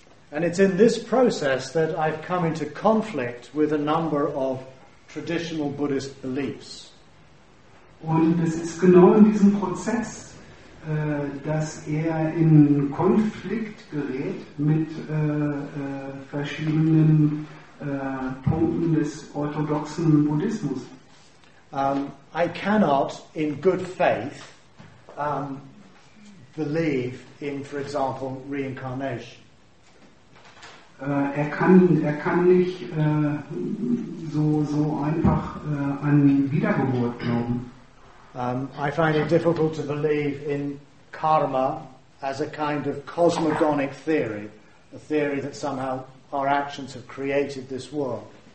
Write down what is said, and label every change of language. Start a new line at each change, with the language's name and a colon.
English: And it's in this process that I've come into conflict with a number of traditional Buddhist beliefs.
German: Und es ist genau in diesem Prozess, dass er in Konflikt gerät mit verschiedenen Punkten des orthodoxen Buddhismus.
English: I cannot, in good faith, believe in, for example, reincarnation.
German: Er kann nicht so einfach an Wiedergeburt glauben.
English: I find it difficult to believe in karma as a kind of cosmogonic theory, a theory that somehow our actions have created this world.